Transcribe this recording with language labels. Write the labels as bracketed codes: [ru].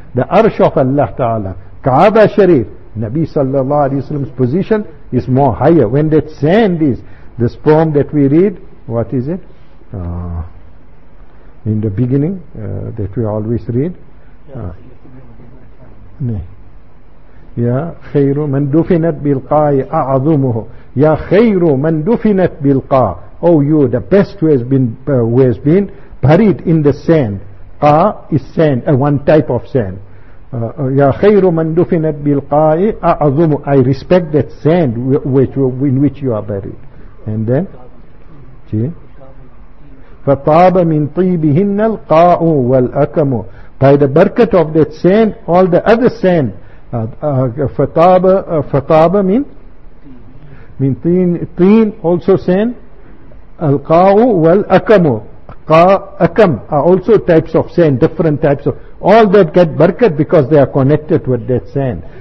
[en] The Arsh of Allah Ta'ala, Kaaba Sharif, Nabi Sallallahu Alaihi Wasallam's position is more higher. When that sand is, this poem that we read, what is it? In the beginning, that we always read. [ar] يا خير من دفنت بالقاء أعظمه يا خير من دفنت بالقاء. [en] Oh you, the best who has been buried in the sand. قاء is sand, one type of sand. [ar] يا خير من دفنت بالقاء أعظمه. [en] I respect that sand in which you are buried. And then [ar] فطاب من طيبهن القاء والأكم. [en] By the barakat of that sand, all the other sand. Fataba mean teen also sand. [ar] Alqa'u wal akamu. [en] Akam are also types of sand, different types of all that get barakat because they are connected with that sand.